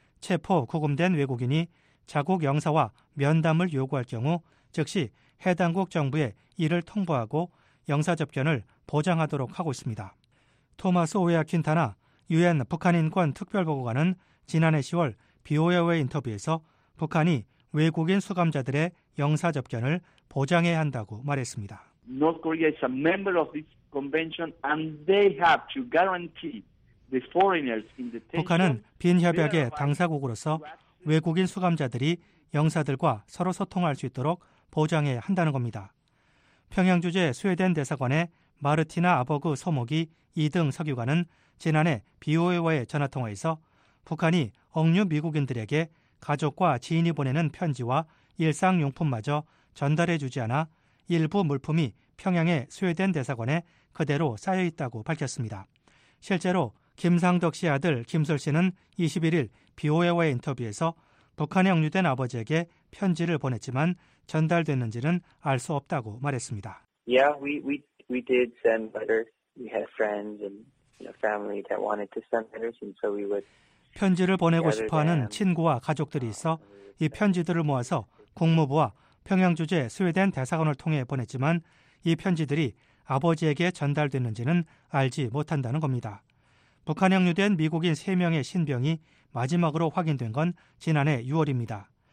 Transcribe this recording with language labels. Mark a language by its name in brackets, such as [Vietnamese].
[Korean] 체포, 구금된 외국인이 자국 영사와 면담을 요구할 경우 즉시 해당국 정부에 이를 통보하고 영사 접견을 보장하도록 하고 있습니다. 토마스 오야 킨타나 유엔 북한인권특별보고관은 지난해 10월 BOA 인터뷰에서 북한이 외국인 수감자들의 영사 접견을 보장해야 한다고 말했습니다. [English] North Korea is a member of this convention and they have to guarantee the foreigners in detention. [Korean] 북한은 빈 협약의 당사국으로서 외국인 수감자들이 영사들과 서로 소통할 수 있도록 보장해야 한다는 겁니다. 평양 주재 스웨덴 대사관의 마르티나 아버그 소목이 2등 서기관은 지난해 BOA와의 전화통화에서 북한이 억류 미국인들에게 가족과 지인이 보내는 편지와 일상용품마저 전달해 주지 않아 일부 물품이 평양의 스웨덴 대사관에 그대로 쌓여 있다고 밝혔습니다. 실제로 김상덕 씨 아들 김솔 씨는 21일 BOA와의 인터뷰에서 북한에 억류된 아버지에게 편지를 보냈지만 전달됐는지는 알 수 없다고 말했습니다. [English] Yeah, we did send letters. We had friends and family that wanted to send letters, and so we would. [Korean] 편지를 보내고 싶어하는 친구와 가족들이 있어 이 편지들을 모아서 국무부와 평양 주재 스웨덴 대사관을 통해 보냈지만 이 편지들이 아버지에게 전달됐는지는 알지 못한다는 겁니다. 북한에 억류된 미국인 3명의 신병이 마지막으로 확인된 건 지난해 6월입니다.